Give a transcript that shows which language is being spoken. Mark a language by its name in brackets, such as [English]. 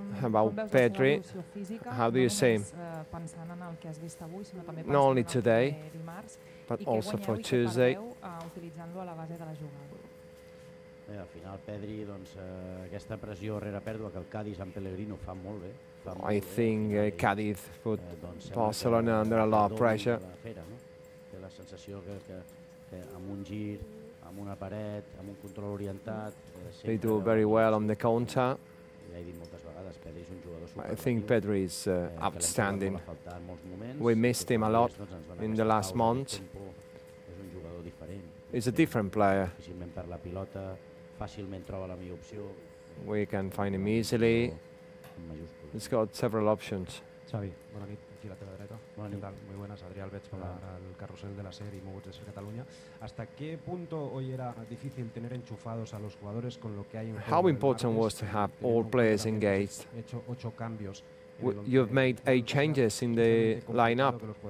[English] About Pedri, how do you see [Catalan] pensant en el que has vist avui, sinó també [English] not only today, but also for Tuesday. [Catalan] Utilitzant-lo a la base de la jugada. Al final, Pedri, doncs, aquesta pressió rere pèrdua que el Cádiz amb Pellegrino fa molt bé. [English] I think Cádiz put Barcelona under a lot of pressure. [Catalan] Té la sensació que amb un gir, amb una paret, amb un control orientat... [English] They do very well on the counter. [Catalan] Ja he dit moltes vegades, Pedri és un jugador super. [English] I think Pedri is outstanding. We missed him a lot in the last month. [Catalan] És un jugador diferent. [English] He's a different player. [Catalan] Fàcilment per la pilota, fàcilment troba la millor opció. [English] We can find him easily. He's got several options. [Catalan] Xavi, bona nit, aquí a la teva dreta. Bona nit. [Spanish] Muy buenas, [Catalan] Adrià Albets, el carrusel de la SER i Moguts de SER Catalunya. [Spanish] ¿Hasta qué punto hoy era difícil tener enchufados a los jugadores con lo que hay en juego? [English] How important was to have all players engaged? You've made 8 changes in the lineup.